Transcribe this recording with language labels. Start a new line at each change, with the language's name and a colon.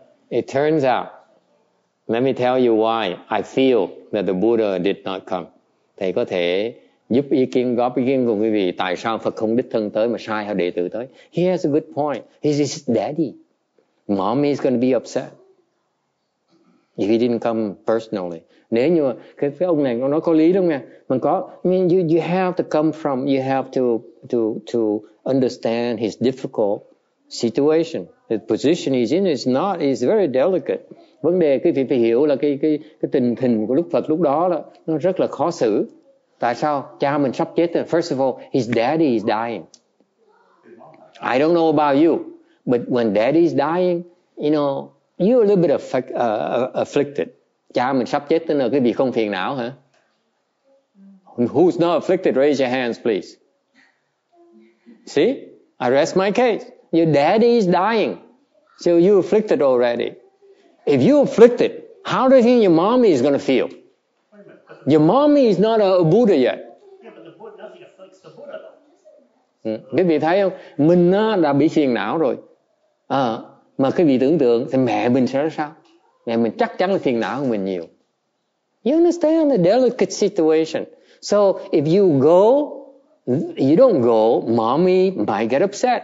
English: It turns out, let me tell you why I feel that the Buddha did not come.
Vietnamese: Thầy có thể giúp ý kiến, góp ý kiến của quý vị tại sao Phật không đích thân tới mà sai hay đệ tử tới.
English: He has a good point. He's his daddy. Mommy is going to be upset if he didn't come personally.
Vietnamese: Nếu như cái ông này nói có lý đúng không nè, mình có,
English: you have to come from, you have to understand his difficult situation. The position he's in is not, is very delicate.
Vietnamese: Vấn đề quý vị phải hiểu là cái tình hình của Đức Phật lúc đó là nó rất là khó xử. Tại sao? Cha mình sắp chết rồi.
English: First of all, his daddy is dying. I don't know about you, but when daddy is dying, you know, you're a little bit afflicted.
Vietnamese: Cha mình sắp chết tới nơi, quý vị không phiền não hả?
English: Who's not afflicted? Raise your hands, please. See? I rest my case. Your daddy is dying. So you're afflicted already. If you're afflicted, how do you think your mommy is going to feel? Your mommy is not a Buddha yet. Yeah, but the Buddha, nothing afflicts the Buddha though.
Vietnamese: Quý vị thấy không? Mình đã bị phiền não rồi. Mà quý vị tưởng tượng thì mẹ mình sẽ sao? Mẹ mình chắc chắn là phiền não hơn mình nhiều.
English: You understand the delicate situation. So if you go, you don't go, mommy might get upset.